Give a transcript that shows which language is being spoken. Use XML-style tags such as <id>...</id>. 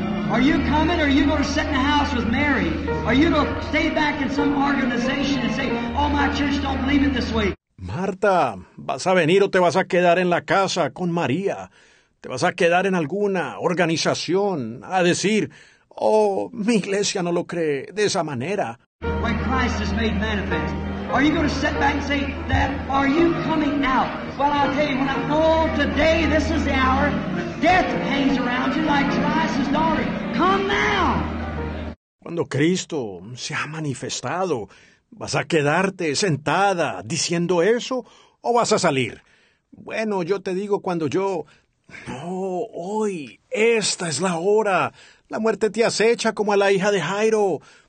<en>Are you coming, or are you going to sit in the house with Mary? Are you going to stay back in some organization and say, oh, my church don't believe it this way?</en> <es>Marta, ¿vas a venir o te vas a quedar en la casa con María? ¿Te vas a quedar en alguna organización a decir, oh, mi iglesia no lo cree de esa manera?</es> <en>When Christ is made manifest, are you going to sit back and say that? Are you coming now? Well, I'll tell you, when I call today, this is the hour. Death hangs around you like Jairus's daughter. Come now.</en> <es>Cuando Cristo se ha manifestado, ¿vas a quedarte sentada diciendo eso o vas a salir? Bueno, yo te digo cuando yo... No, hoy, esta es la hora. La muerte te acecha como a la hija de Jairo.</es>